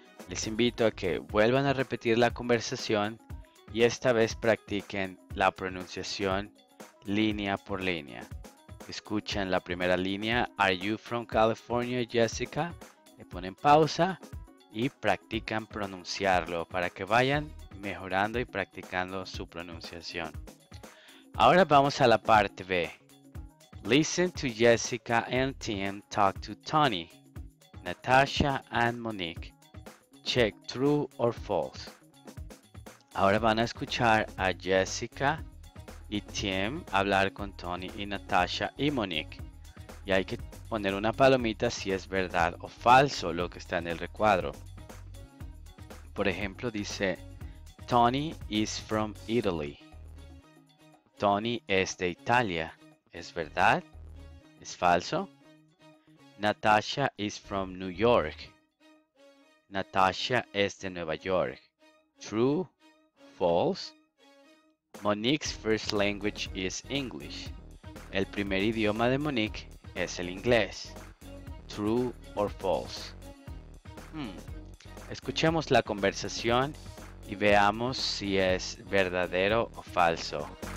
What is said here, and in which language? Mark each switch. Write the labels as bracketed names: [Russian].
[Spanish] Les invito a que vuelvan a repetir la conversación y esta vez practiquen la pronunciación línea por línea. Escuchen la primera línea, [English] Are you from California, Jessica? [Spanish] Le ponen pausa y practican pronunciarlo para que vayan mejorando y practicando su pronunciación. Ahora vamos a la parte B. [English] Listen to Jessica and Tim talk to Tony, Natasha and Monique. Check true or false. [Spanish] Ahora van a escuchar a Jessica y Tim hablar con Tony y Natasha y Monique. Y hay que poner una palomita si es verdad o falso lo que está en el recuadro. Por ejemplo, dice, [English] Tony is from Italy. [Spanish] Tony es de Italia. ¿Es verdad? ¿Es falso? [English] Natasha is from New York. [Spanish] Natasha es de Nueva York. [English] True, false. Monique's first language is English. [Spanish] El primer idioma de Monique es el inglés. [English] True or false. [Spanish] Escuchemos la conversación y veamos si es verdadero o falso.